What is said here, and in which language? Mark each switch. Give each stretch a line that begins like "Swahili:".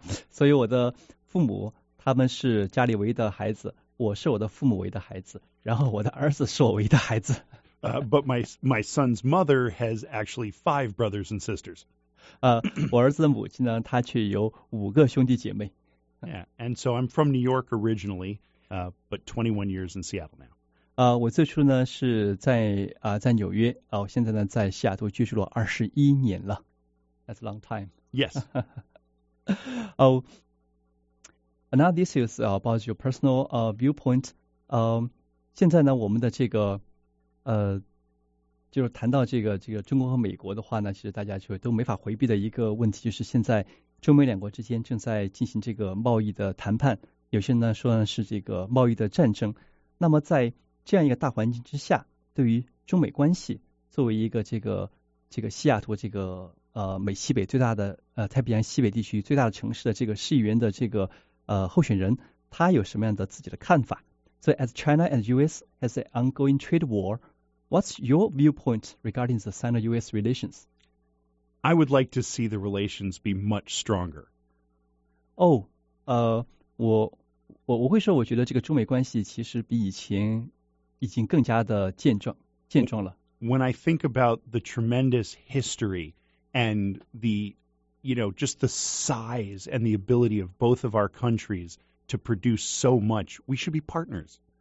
Chinese: 所以我的父母他们是家里唯一的孩子，我是我的父母唯一的孩子，然后我的儿子是我唯一的孩子。
English: But my son's mother has actually 5 brothers and sisters.
Chinese: 我儿子的母亲呢，她却有五个兄弟姐妹。
English: Yeah, and so I'm from New York originally, but 21 years in Seattle now.
Chinese: 我最初呢是在纽约，我现在呢在西雅图居住了21年了。
English: That's a long time. Yes. another issue is about your personal viewpoint.
Chinese: 现在呢我们的这个就是谈到这个中国和美国的话呢，其实大家就都没法回避的一个问题，就是现在中美两国之间正在进行这个贸易的谈判，有些人呢说是这个贸易的战争。那么在这样一个大环境之下，对于中美关系，作为一个这个西雅图这个美西北最大的太平洋西北地区最大的城市的这个市议员的这个候选人，他有什么样的自己的看法？所以
English: ，as China and U.S. has an ongoing trade war, what's your viewpoint regarding the Sino-U.S. relations? I would like to see the relations be much stronger.
Chinese: 我会说，我觉得这个中美关系其实比以前已经更加的健壮了。
English: When I think about the tremendous history and the, you know, just the size and the ability of both of our countries to produce so much, we should be partners.